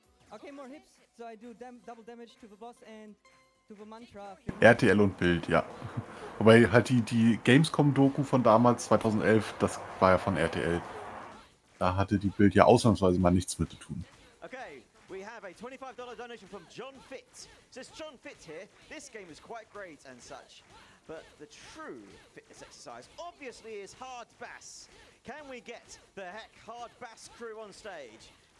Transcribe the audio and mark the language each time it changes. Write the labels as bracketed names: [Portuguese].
[English] Okay, more hips, so I do double damage to the boss and. [German] RTL und Bild, ja. Wobei halt die Gamescom-Doku von damals, 2011, das war ja von RTL. Da hatte die Bild ja ausnahmsweise mal nichts mit zu tun. [English] Okay, we have a $25 donation from John Fitz. Says John Fitz here, this game is quite great and such. But the true fitness exercise obviously is hard bass. Can we get the heck hard bass crew on stage?